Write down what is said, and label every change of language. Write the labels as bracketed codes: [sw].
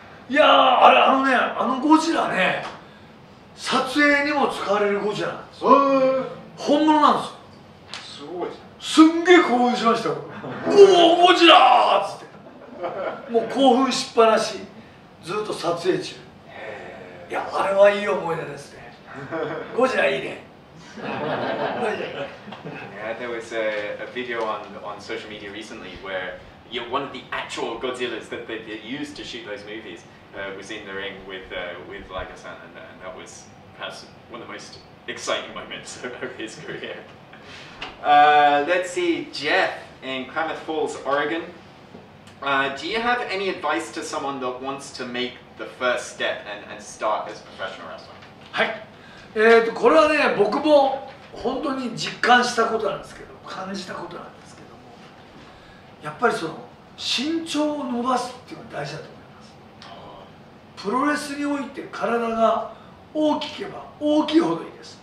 [ja] いやあれあのねあのゴジラね。撮影にも使われるゴジラなんですよ。本物なんですよ。すごいですね。すんげえ興奮しましたよ。おおゴジラーっつってもう興奮しっぱなし、ずっと撮影中。いやあれはいい思い出ですね。ゴジラいいね。 [en] Yeah, there was a video on social media recently where you know, one of the actual Godzillas that they used to shoot those movieswas in the ring with Liger-san, and that was perhaps one of the most exciting moments of his career. Let's see, Jeff in Klamath Falls, Oregon. Do you have any advice to someone that wants to make the first step and start as a professional wrestler? [ja] はい。これはね、僕も本当に実感したことなんですけど、感じたことなんですけども、やっぱりその身長を伸ばすっていうのが大事だと思う。プロレスにおいて体が大きければ大きいほどいいです。